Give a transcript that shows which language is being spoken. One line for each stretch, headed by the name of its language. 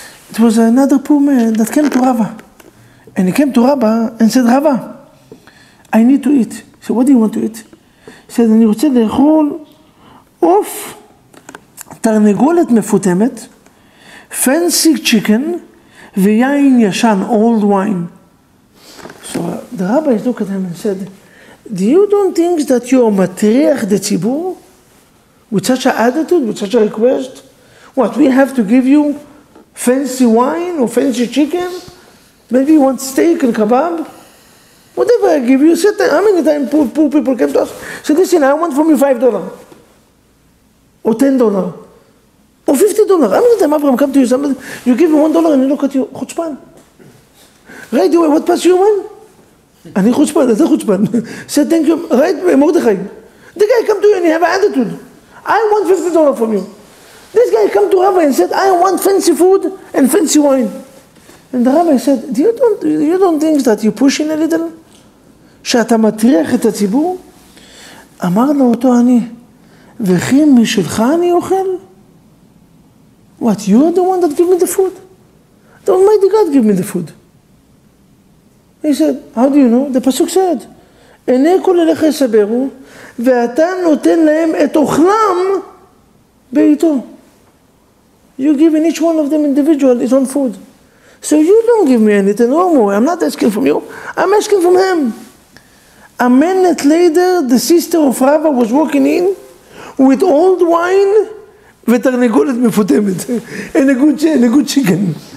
English: It was another poor man that came to Rava. And he came to Rava and said, Rava, I need to eat. He said, what do you want to eat? He said,
Hebrew: אני רוצה לאכול עוף, תרנגולת מפותמת,
English: fancy chicken,
Hebrew: ויין ישן,
English: old wine. So the rabbis looked at him and said, do you don't think that you are מטריח the ציבור? With such an attitude, with such a request, what, we have to give you fancy wine or fancy chicken? Maybe you want steak and kebab? Whatever I give you, how many times poor people came to us? So listen, I want from you $5. Or $10. Or $50. How many times Abraham come to you, somebody, you give me $1 and you look at you, chutzpan. Right away, what pass you, man? Ani chutzpan, that's a chutzpan. Said, thank you, right, Mordechai. The guy come to you and he have an attitude. I want $50 from you. This guy came to Rabbi and said, I want fancy food and fancy wine. And the Rabbi said, you don't think that you're pushing a little?
Hebrew: שאתה מטריח את הציבור? אמר לו אותו אני, וכי משלך אני אוכל?
English: What, you are the one that give me the food? The Almighty God give me the food. He said, how do you know?
Hebrew: The pasuk said, עיני כל אליך יסברו, ואתה נותן להם את אוכלם ביתו.
English: You're giving each one of them individual his own food. So you don't give me anything, no more. I'm not asking from you, I'm asking from him. A minute later, the sister of Rava was walking in with old wine
Hebrew: ותרנגולת מפותמת
English: and a good chicken.